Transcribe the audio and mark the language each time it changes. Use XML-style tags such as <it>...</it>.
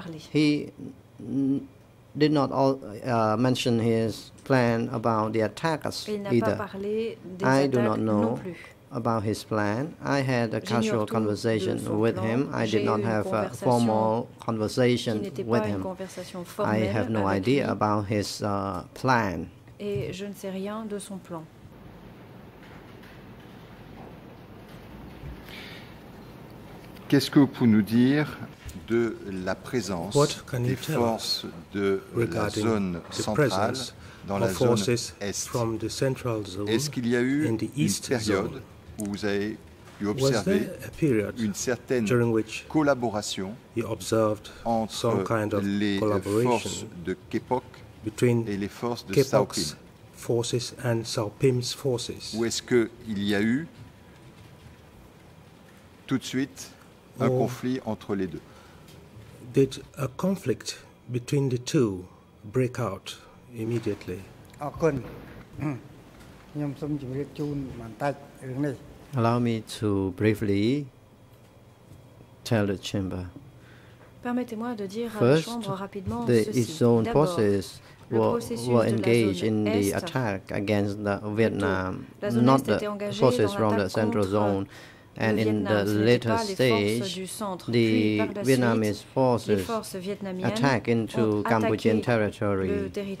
<en>He did not mention his plan about the attackers either. I do not know about his plan. I had a casual conversation with him. I did not have a formal conversation with him. I have no idea about his plan.</en> <fr>Et je ne sais rien de son plan. Qu'est-ce que vous pouvez nous dire de la présence des forces de la zone centrale dans la zone est?</fr> <en>From the central zone.</en> <fr>Est-ce qu'il y a eu une période où vous avez pu observer une certaine collaboration entre</fr> <en>some kind of</en> <fr>les forces de Kepok et les forces de</fr> <en>Kepok's</en> <fr>Cao Ping?</fr> <en>forces and Sao Pim's forces?</en> <fr>Ou est-ce que il y a eu tout de suite un conflit entre les deux?</fr> <en>Did a conflict between the two break out immediately? Allow me to briefly tell the chamber.</en> <fr>Permettez-moi de dire à la chambre rapidement ceci. D'abord,</fr> <en>were engaged in the attack against the Vietnam, not the forces from the central zone. And in the later stage, the Vietnamese forces attacked into Cambodian territory.</en>